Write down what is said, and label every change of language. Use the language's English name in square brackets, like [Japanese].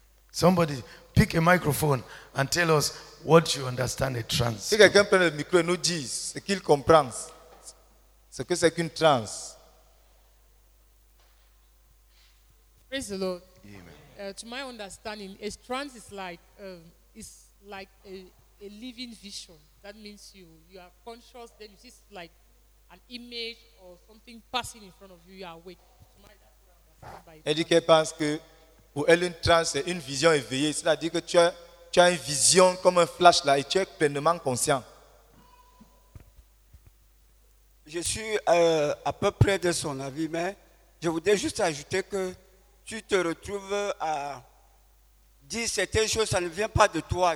[English] Somebody pick a microphone and tell us what you understand a trance. [French] Si quelqu'un prend le micro et nous dit ce qu'il comprend, ce que c'est qu'une trance. [English] Praise the Lord. Amen. To my understanding, a trance is like a living vision. That means you are conscious, then you see like an image or something passing in front of you, you are awake. [French] Elle dit qu'elle pense que pour elle une transe c'est une vision éveillée, c'est-à-dire que tu as une vision comme un flash là et tu es pleinement conscient. Je suis à peu près de son avis, mais je voudrais juste ajouter que tu te retrouves à dire certaines choses, ça ne vient pas de toi.